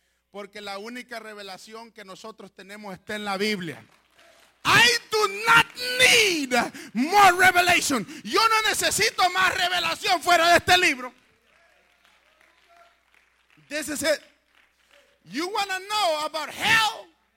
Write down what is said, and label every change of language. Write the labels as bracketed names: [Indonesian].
[Spanish] Porque la única revelación que nosotros tenemos está en la Biblia. [English] I do not need more revelation. [Spanish] Yo no necesito más revelación fuera de este libro. [English] This is it. You want to know about hell?